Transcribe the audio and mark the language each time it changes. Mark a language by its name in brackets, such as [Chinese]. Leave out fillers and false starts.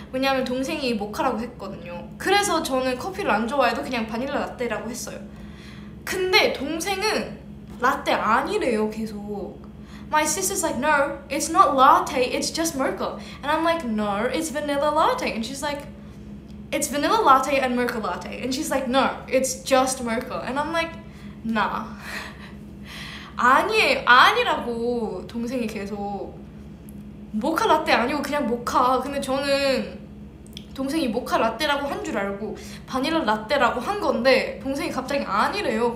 [Korean] 왜냐하면 동생이 모카라고 했거든요. 그래서 저는 커피를 안 좋아해도 그냥 바닐라 라떼라고 했어요. 근데 동생은 라떼 아니래요, 계속. [English] My sister's like, no, it's not latte, it's just mocha. And I'm like, no, it's vanilla latte. And she's like, it's vanilla latte and mocha latte. And she's like, no, it's just mocha. And I'm like, nah. [Korean] 아니에요, 아니라고 동생이 계속. 모카 라떼 아니고 그냥 모카. 근데 저는 동생이 모카 라떼라고 한 줄 알고 바닐라 라떼라고 한 건데 동생이 갑자기 아니래요.